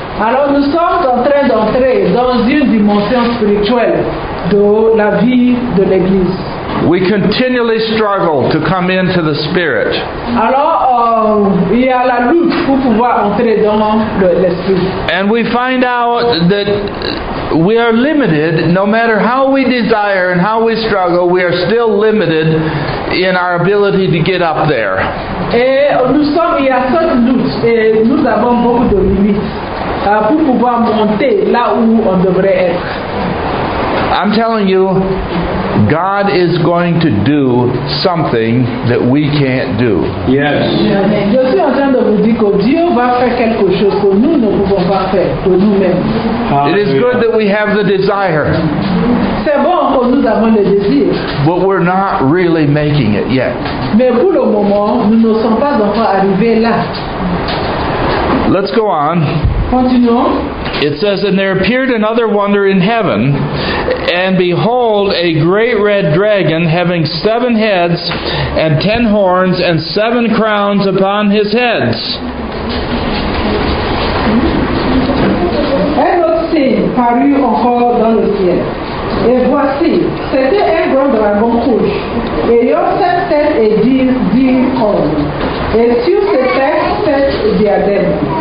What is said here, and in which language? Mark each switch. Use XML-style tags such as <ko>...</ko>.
<fr>Alors nous sommes en train d'entrer dans une dimension spirituelle de la vie de l'église.</fr> <en>We continually struggle to come into the Spirit.</en> <fr>Alors, il y a la lutte pour pouvoir entrer dans l'Esprit.</fr> <en>And we find out that we are limited, no matter how we desire and how we struggle, we are still limited in our ability to get up there.</en> <fr>Et nous sommes, il y a cette lutte et nous avons beaucoup de limites pour pouvoir monter là où on devrait être.</fr> <en>I'm telling you, God is going to do something that we can't do. Yes.</en> <fr>Je suis en train de vous dire que Dieu va faire quelque chose que nous ne pouvons pas faire de nous-mêmes.</fr> <en>It is good that we have the desire.</en> <fr>C'est bon que nous avons le désir.</fr> <en>But we're not really making it yet.</en> <fr>Mais pour le moment, nous ne sommes pas encore arrivés là.</fr> <en>Let's go on.</en> <fr>Continuons.</fr> <en>It says, and there appeared another wonder in heaven, and behold, a great red dragon having 7 heads and 10 horns and 7 crowns upon his heads.</en> <fr>Un autre signe parut encore dans le ciel. Et voici, c'était un grand dragon rouge, ayant 7 têtes et 10 cornes, et sur ses têtes 7 diadèmes.</fr>